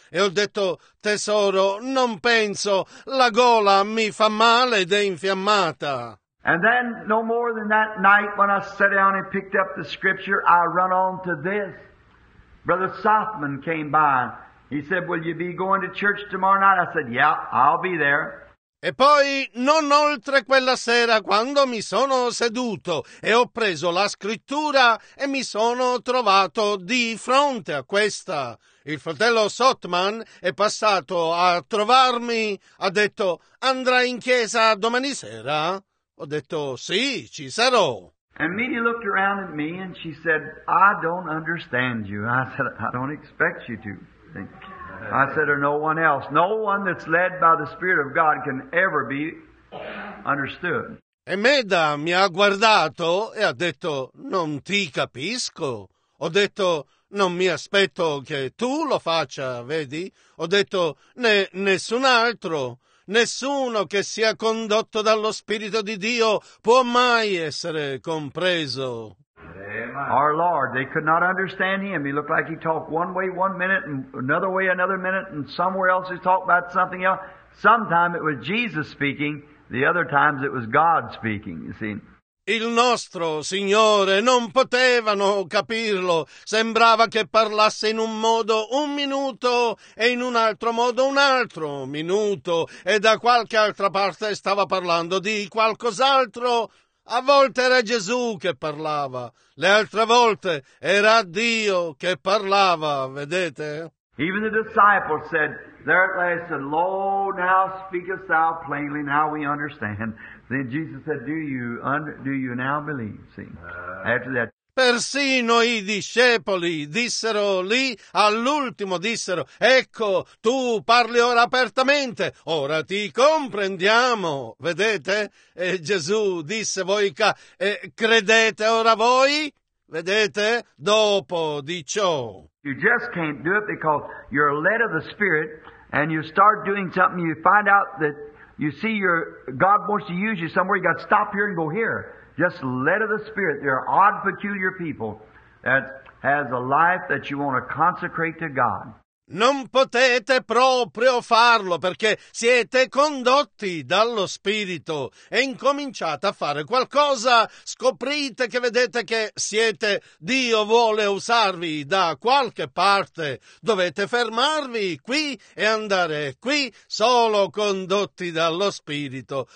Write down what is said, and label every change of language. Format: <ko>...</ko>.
<it>E ho detto, "Tesoro, non penso, la gola mi fa male ed è infiammata."</it> <en>And then, no more than that night, when I sat down and picked up the scripture, I run on to this. Brother Softman came by. He said, "Will you be going to church tomorrow night?" I said, "Yeah, I'll be there."</en> <it>E poi, non oltre quella sera, quando mi sono seduto e ho preso la scrittura e mi sono trovato di fronte a questa. Il fratello Softman è passato a trovarmi, ha detto, "Andrai in chiesa domani sera?" Ho detto, "Sì, ci sarò."</it> <en>And Mimi looked around at me and she said, "I don't understand you." I said, "I don't expect you to." I said, "Or no one else. No one that's led by the Spirit of God can ever be understood."</en> <it>E Meda mi ha guardato e ha detto, "Non ti capisco." Ho detto, "Non mi aspetto che tu lo faccia, vedi?" Ho detto, "Né nessun altro. Nessuno che sia condotto dallo Spirito di Dio può mai essere compreso."</it> <en>Our Lord, they could not understand him. He looked like he talked one way one minute and another way another minute, and somewhere else he talked about something else. Sometimes it was Jesus speaking, the other times it was God speaking, you see.</en> <it>Il nostro Signore non potevano capirlo. Sembrava che parlasse in un modo un minuto e in un altro minuto e da qualche altra parte stava parlando di qualcos'altro. A volte era Gesù che parlava, le altre volte era Dio che parlava, vedete?</it> <en>Even the disciples said, there at last, "Lo, now speakest thou plainly, now we understand." Then Jesus said, do you now believe? See, after that.</en> <it>Persino i discepoli dissero lì, all'ultimo dissero, "Ecco, tu parli ora apertamente, ora ti comprendiamo." Vedete? E Gesù disse, credete ora voi? Vedete? Dopo di ciò.</it> <en>You just can't do it because you're led of the Spirit and you start doing something, you find out that you see your God wants to use you somewhere, you got to stop here and go here. Just led of the Spirit. There are odd, peculiar people that has a life that you want to consecrate to God.</en> <it>Non potete proprio farlo perché siete condotti dallo Spirito e incominciate a fare qualcosa, scoprite che vedete che siete, Dio vuole usarvi da qualche parte, dovete fermarvi qui e andare qui solo condotti dallo Spirito.</it>